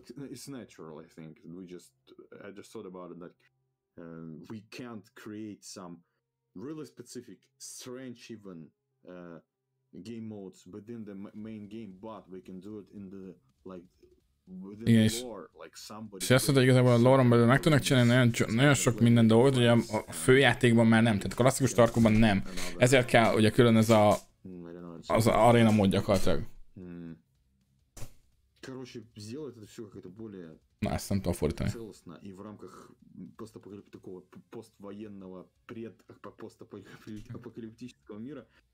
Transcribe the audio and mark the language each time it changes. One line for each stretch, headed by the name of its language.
English: It's natural, I think. I just thought about it, that we can't create some really specific, strange even game modes within the main game, but we can do it in the, like, within
Hungarian: igen,
English: the lore, like somebody...
Hungarian: És azt mondta, igazából a lore-on belül meg tudnak csinálni nagyon sok minden dolgot, ugye a főjátékban már nem, tehát a klasszikus Tarkovban nem. Ezért kell ugye külön ez az aréna mód gyakorlatilag.
Russian: Короче, сделать это все как-то более целостно и в рамках постапокалиптического, поствоенного, постапокалиптического мира.